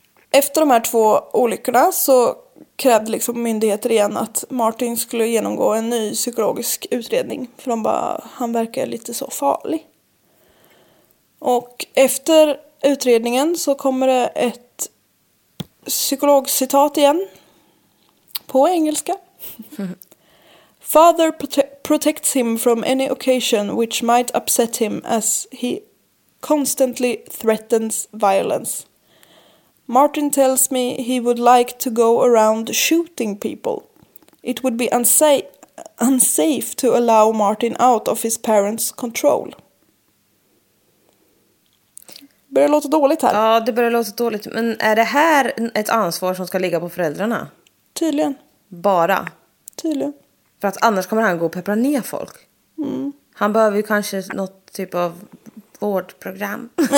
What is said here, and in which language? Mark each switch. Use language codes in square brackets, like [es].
[sv] Efter de här 2 olyckorna så krävde liksom myndigheter igen att Martin skulle genomgå en ny psykologisk utredning. För de bara, han verkar lite så farlig. Och efter utredningen så kommer det ett psykologcitat igen. På engelska. [en] Father protects him from any occasion which might upset him as he constantly threatens violence. Martin tells me he would like to go around shooting people. It would be unsafe to allow Martin out of his parents' control. [sv] Börjar låta dåligt här. Ja, det börjar låta dåligt. Men är det här ett ansvar som ska ligga på föräldrarna? Tydligen. Bara? Tydligen. För att annars kommer han gå och peppra ner folk. Mm. Han behöver ju kanske något typ av vårdprogram.